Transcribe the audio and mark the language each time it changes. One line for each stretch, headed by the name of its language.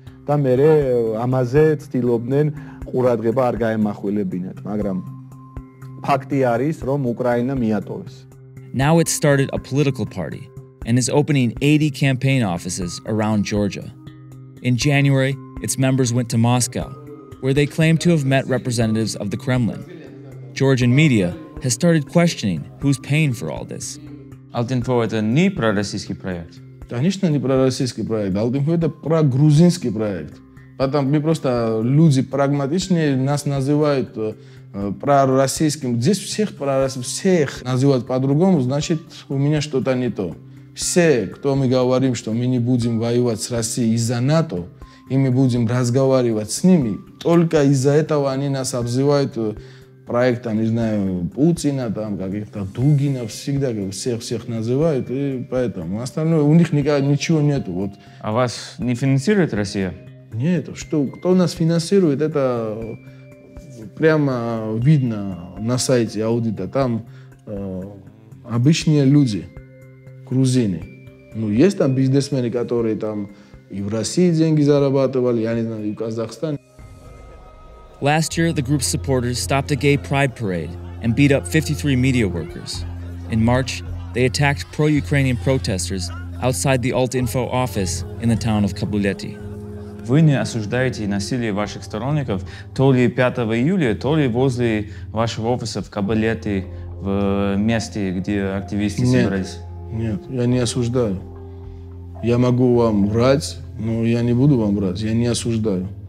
English: Now it's started a political party and is opening 80 campaign offices around Georgia. In January, its members went to Moscow, where they claim to have met representatives of the Kremlin. Georgian media has started questioning who's paying for all this.
Russian: Altinfo – это не пророссийский проект. Конечно, не пророссийский проект. Altinfo – это прогрузинский проект. Потом мы просто люди прагматичные, нас называют пророссийским. Здесь всех пророссийских, всех называют по-другому, значит, у меня что-то не то. Все, кто мы говорим, что мы не будем воевать с Россией из-за НАТО, и мы будем разговаривать с ними, только из-за этого они нас обзывают проект, не знаю, Путина, там, каких-то Дугина, всегда всех-всех называют, и поэтому. Остальное, у них никогда, ничего нету. Вот. А вас не финансирует Россия? Нет, что, кто нас финансирует, это прямо видно на сайте аудита. Там обычные люди, грузины. Ну, есть там бизнесмены, которые там и в России деньги зарабатывали, я не знаю, и в Казахстане.
English: Last year, the group's supporters stopped a gay pride parade and beat up 53 media workers. In March, they attacked pro-Ukrainian protesters outside the Altinfo office in the town of Kabuleti.
Russian: Вы не осуждаете насилие ваших сторонников то ли 5 июля, то ли возле вашего офиса в Кабулете, в месте, где активисты собрались? Нет, я не осуждаю. Я могу вам врать, но я не буду вам врать, я не осуждаю.